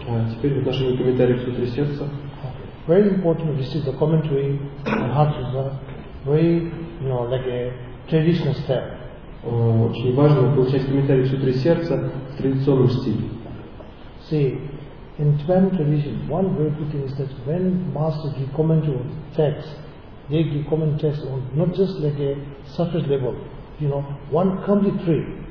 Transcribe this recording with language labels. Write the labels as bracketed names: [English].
[Russian] Теперь в отношении комментариев сутры сердца. [English] Very important. This is the commentary on Heart Sutra. Very, you know, like a traditional step. [Russian] Очень важно получать комментарии сутры сердца в традиционном стиле. [English] See, in Tibetan tradition, one very good thing is that when masters give commentary on texts, they give commentary on not just like a surface level. You know, one complete tree.